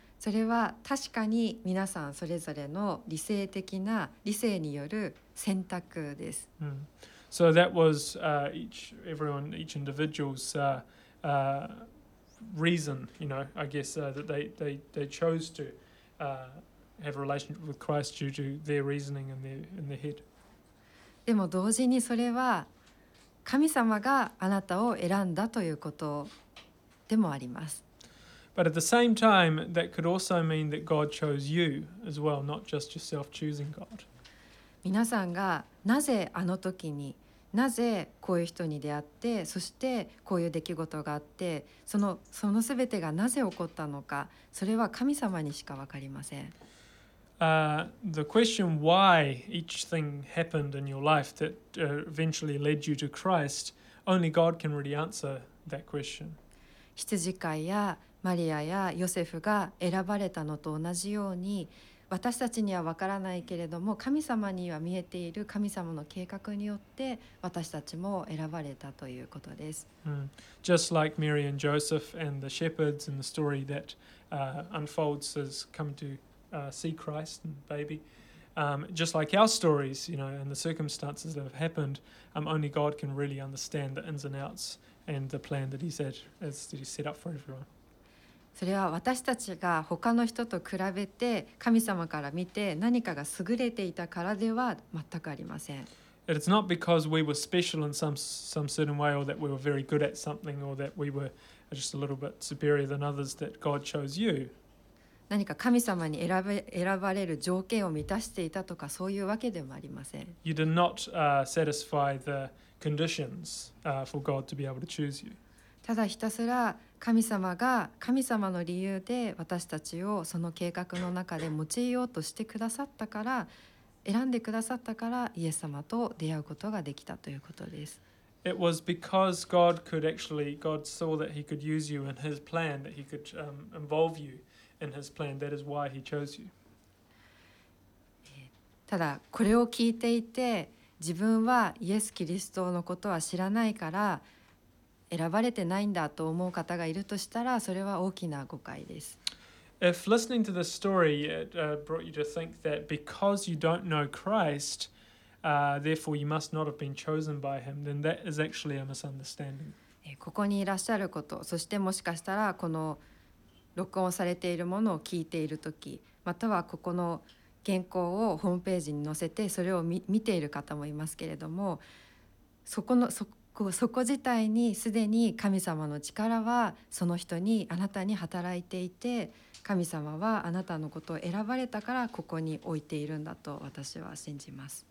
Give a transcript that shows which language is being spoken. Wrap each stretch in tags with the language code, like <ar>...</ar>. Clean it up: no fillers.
<ja>それは確かに皆さんそれぞれの理性的な理性による選択です。</ja> <en>So that was each individual's reason, you know, I guess, that they chose to have a relationship with Christ due to their reasoning in their head.</en> <ja>でも同時にそれは神様があなたを選んだということでもあります。</ja> <en>But at the same time, that could also mean that God chose you as well, not just yourself choosing God.</en> <ja>皆さんがなぜあの時になぜこういう人に出会って、そしてこういう出来事があって、その全てがなぜ起こったのか、それは神様にしか分かりません。</ja> <en>The question why each thing happened in your life that eventually led you to Christ, only God can really answer that question.</en> <ja>羊飼いやマリアやヨセフが選ばれたのと同じように、私たちには分からないけれども、神様には見えている神様の計画によって私たちも選ばれたということです、</ja> <en>Just like Mary and Joseph and the shepherds and the story that unfolds as coming to see Christ and baby, just like our stories, you know, and the circumstances that have happened, only God can really understand the ins and outs and the plan that he set up for everyone.</en> <ja>それは私たちが他の人と比べて神様から見て何かが優れていたからでは全くありません。</ja> <en>It's not because we were special in some certain way, or that we were very good at something, or that we were just a little bit superior than others that God chose you.</en> <ja>何か神様に選ばれる条件を満たしていたとか、そういうわけでもありません。</ja> <en>You did not satisfy the conditions for God to be able to choose you.</en> <ja>ただひたすら神様が神様の理由で私たちをその計画の中で用いようとしてくださったから、選んでくださったから、イエス様と出会うことができたということです。</ja> <en>It was because God could actually, God saw that he could use you in his plan, that he could involve you in his plan, that is why he chose you.</en> <ja>ただこれを聞いていて、自分はイエス・キリストのことは知らないから選ばれてないんだと思う方がいるとしたら、それは大きな誤解です。</ja> <en>If listening to this story brought you to think that because you don't know Christ, therefore you must not have been chosen by him, then that is actually a misunderstanding.</en> <ja>ここにいらっしゃること、そしてもしかしたらこの録音されているものを聞いているとき、またはここの原稿をホームページに載せてそれを見ている方もいますけれども、そこ自体にすでに神様の力はその人にあなたに働いていて、神様はあなたのことを選ばれたからここに置いているんだと私は信じます。</ja>